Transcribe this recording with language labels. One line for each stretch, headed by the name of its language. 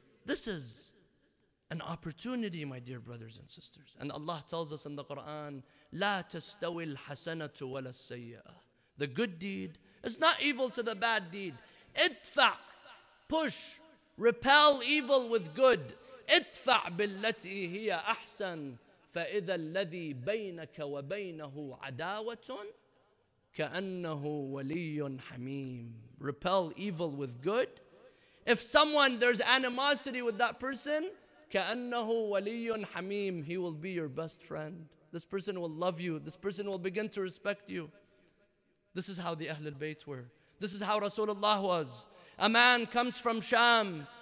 English: This is an opportunity, my dear brothers and sisters. And Allah tells us in the Quran,
Arabic: لا تستوي الحسنة ولا السيئة.
English: The good deed is not evil to the bad deed. ادفع, push, repel evil with good.
Arabic: ادفع بالتي هي أحسن فإذا الذي بينك وبينه عداوة كأنه ولي حميم.
English: Repel evil with good. If someone, there's animosity with that person,
Arabic: كأنه ولي حميم,
English: he will be your best friend. This person will love you. This person will begin to respect you. This is how the Ahlul Bayt were. This is how Rasulullah was. A man comes from Sham.